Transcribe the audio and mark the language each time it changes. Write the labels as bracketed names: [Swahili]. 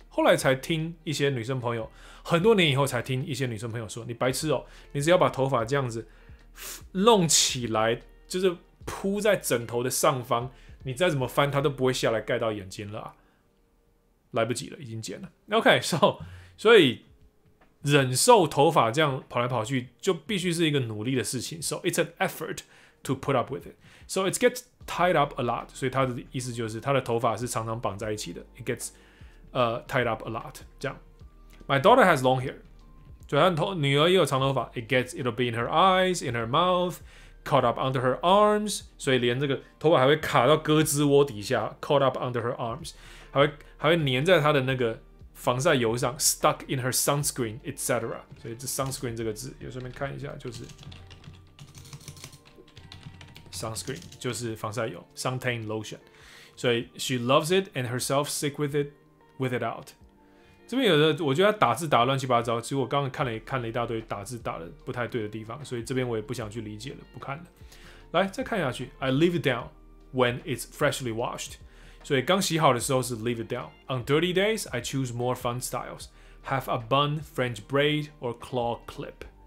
[Chinese] 后来才听一些女生朋友，很多年以后才听一些女生朋友说：“你白痴哦，你只要把头发这样子弄起来，就是铺在枕头的上方，你再怎么翻，它都不会下来盖到眼睛了、啊，来不及了，已经剪了。” OK， so 忍受头发这样跑来跑去，就必须是一个努力的事情。 [English] So it's an effort to put up with it. So it gets tied up a lot. [Chinese] 所以他的意思就是他的头发是常常绑在一起的。 [English] It gets tied up a lot. [Chinese] 这样。 [English] My daughter has long hair. [Chinese] 所以她女儿也有长头发。 [English] It'll be in her eyes, in her mouth, caught up under her arms. [Chinese] 所以连这个头发还会卡到胳肢窝底下 ， [English] caught up under her arms. [Chinese] 还会粘在她的那个防晒油上 ， [English] stuck in her sunscreen, etc. [Chinese] 所以这 sunscreen 这个字也顺便看一下，就是。 Sunscreen 就是防晒油 ，suntan lotion。所以 [English] she loves it and herself sick with it, with it out。 [Chinese] 这边有的，我觉得打字打乱七八糟。其实我刚刚看了一大堆打字打的不太对的地方，所以这边我也不想去理解了，不看了。来，再看下去 [English] ，I leave it down when it's freshly washed。 [Chinese] 所以刚洗好的时候是 [English] leave it down。On dirty days, I choose more fun styles, have a bun, French braid, or claw clip。